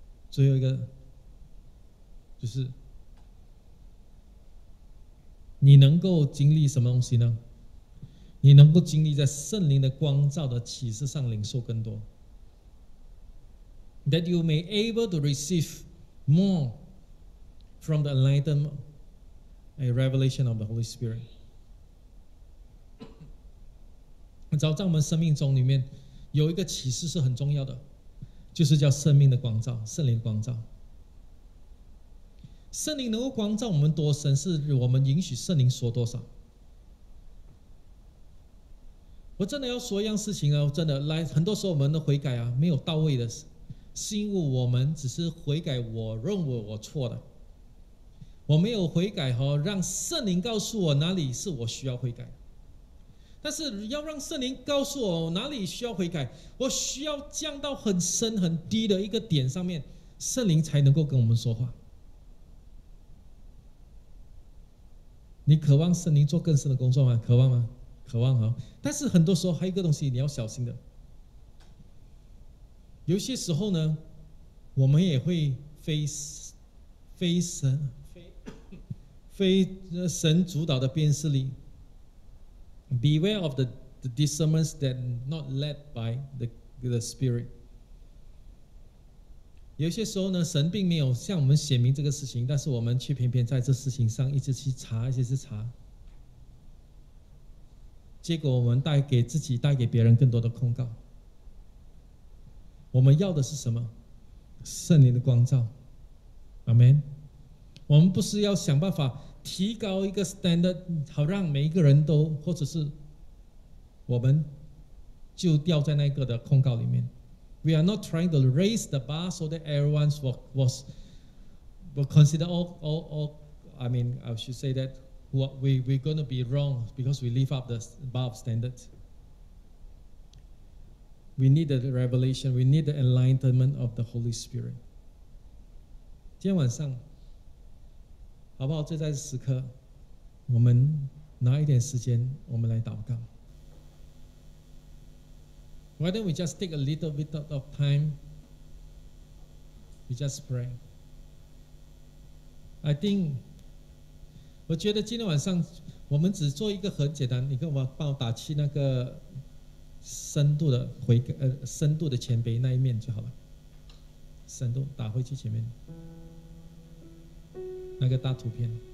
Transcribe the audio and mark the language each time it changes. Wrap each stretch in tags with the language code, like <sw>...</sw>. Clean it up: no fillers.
<zh>最后一个就是你能够经历什么东西呢？你能够经历在圣灵的光照的启示上领受更多。</zh> <en>That you may able to receive more from the enlightenment and revelation of the Holy Spirit.</en> <zh>找在我们生命中里面有一个启示是很重要的，就是叫生命的光照，圣灵光照。圣灵能够光照我们多深，是我们允许圣灵说多少。我真的要说一样事情啊，真的来，很多时候我们的悔改啊没有到位的，是因为我们只是悔改我认为我错的，我没有悔改和让圣灵告诉我哪里是我需要悔改。但是要让圣灵告诉我哪里需要悔改，我需要降到很深很低的一个点上面，圣灵才能够跟我们说话。你渴望圣灵做更深的工作吗？渴望吗？渴望啊！但是很多时候还有一个东西你要小心的，有些时候呢我们也会非神非神主导的辨识力。</zh> <en>Beware of the discernments that not led by the Spirit。</en> <zh>有些时候呢，神并没有向我们显明这个事情，但是我们却偏偏在这事情上一直去查，一直去查，结果我们带给自己、带给别人更多的控告。我们要的是什么？圣灵的光照。阿门。我们不是要想办法提高一个 standard， 好让每一个人都，或者是我们就掉在那个的控告里面。</zh> <en>We are not trying to raise the bar so that everyone was considered we're going to be wrong because we lift up the bar of standards. We need the revelation. We need the enlightenment of the Holy Spirit.</en> <zh>今天晚上，好不好？就在此刻，我们拿一点时间，我们来祷告。</zh> <en>Why don't we just take a little bit of time? We just pray. I think,</en> <zh>我觉得今天晚上我们只做一个很简单，你跟我帮我打气那个深度的回深度的谦卑那一面就好了。深度打回去前面那个大图片。</zh>